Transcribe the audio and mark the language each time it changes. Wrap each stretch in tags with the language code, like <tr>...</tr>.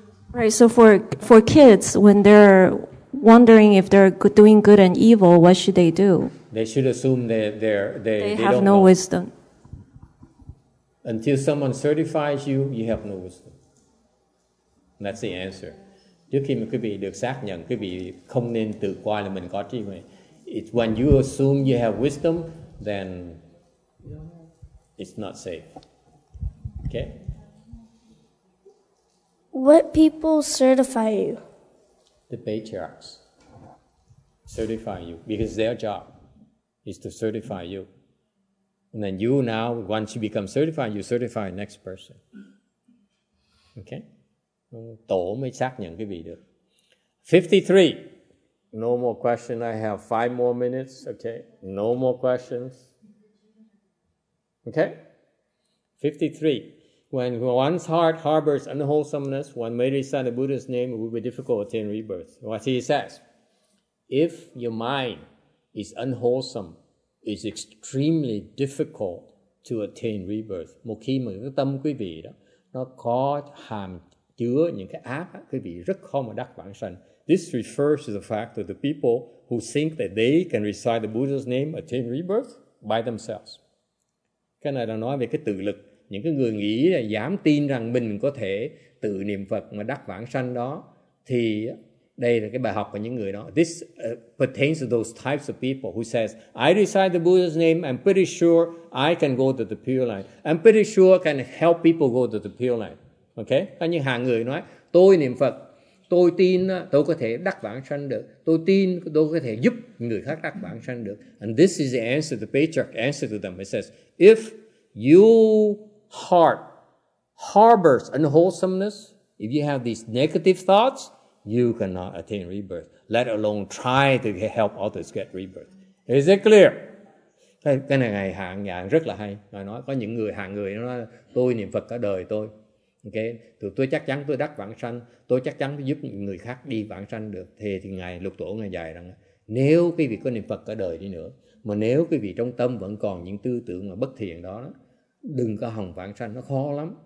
<en>Right, so for kids, when they're wondering if they're doing good and evil, what should they do? They should assume that they have no wisdom. Until someone certifies you, you have no wisdom. And that's the answer.</en> <vi>Trước khi mà quý vị được xác nhận, quý vị không nên tự coi là mình có trí huệ.</vi> <en>It's when you assume you have wisdom, then it's not safe. Okay? What people certify you? The patriarchs certify you because their job is to certify you. And then you now, once you become certified, you certify the next person. Okay?</en> <vi>Tổ mới xác nhận cái vị được.</vi> <en>53. No more questions. I have 5 more minutes. Okay? No more questions. Okay? 53. When one's heart harbors unwholesomeness, one may recite the Buddha's name, it will be difficult to attain rebirth. What he says, if your mind is unwholesome, it's extremely difficult to attain rebirth.</en> <vi>Một khi mà cái tâm quý vị đó, nó có hàm chứa những cái ác, quý vị rất khó mà đắc vãng sanh.</vi> <en>This refers to the fact that the people who think that they can recite the Buddha's name attain rebirth by themselves.</en> <vi>Cái này là nói về cái tự lực. Những cái người nghĩ là dám tin rằng mình có thể tự niệm Phật mà đắc vãng sanh đó, thì đây là cái bài học của những người đó.</vi> <en>This pertains to those types of people who says, I recite the Buddha's name, I'm pretty sure I can go to the pure land. I'm pretty sure I can help people go to the pure land. Okay?</en> <vi>Có những hàng người nói, tôi niệm Phật, tôi tin tôi có thể đắc vãng sanh được. Tôi tin tôi có thể giúp người khác đắc vãng sanh được.</vi> <en>And this is the answer, the patriarch answer to them. It says, if your heart harbors unwholesomeness, if you have these negative thoughts, you cannot attain rebirth, let alone try to help others get rebirth. Is it clear?</en> <vi>Cái này ngài hạng dạng rất là hay. Ngài nói có những người hạng người nói tôi niệm Phật cả đời tôi. Okay? Tôi chắc chắn tôi đắc vãng sanh, tôi chắc chắn tôi giúp người khác đi vãng sanh được. Thì ngài lục tổ ngài dạy rằng nếu quý vị có niệm Phật cả đời đi nữa, mà nếu quý vị trong tâm vẫn còn những tư tưởng mà bất thiện đó, đừng có hòng vãng sanh, nó khó lắm.</vi>